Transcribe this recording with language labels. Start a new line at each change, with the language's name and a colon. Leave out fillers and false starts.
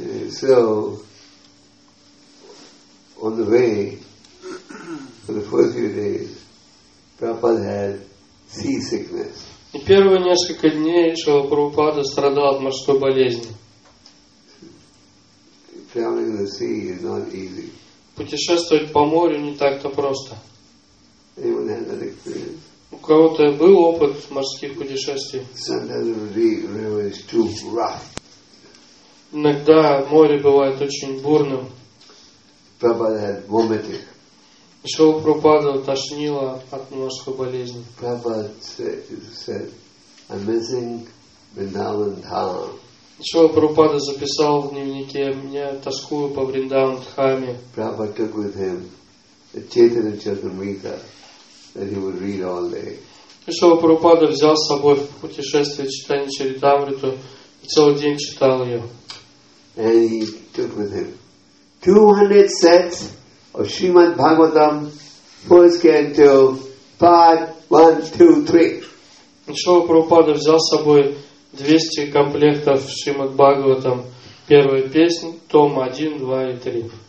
English: So, on the way, for the first few days, Prabhupada had seasickness.
Russian: И первые несколько дней Шрила Прабхупада страдал от морской болезни.
English: Traveling the sea is not easy.
Russian: Путешествовать по морю не так-то просто.
English: Anyone had that experience?
Russian: У кого-то был опыт морских путешествий?
English: Sometimes the river is too rough.
Russian: Иногда море бывает очень бурным.
English: Прабхупада had vomiting.
Russian: Шрила Прабхупада тошнило от морской болезни. Шрила Прабхупада записал в дневнике: «Мне тоскую по Вриндаван Дхаме».
English: Прабхупада took with him the Chaitanya Charitamrita that he would read all day.
Russian: Шрила Прабхупада взял с собой в путешествие Чайтанья Чаритамриту и целый день читал ее.
English: And he took with him 200 sets of Srimad Bhagavatam, first canto, part 1, 2, 3.
Russian: Шрила Прабхупада взял с собой 200 комплектов Шримад Бхагаватам, первая песня, том 1, 2 и 3.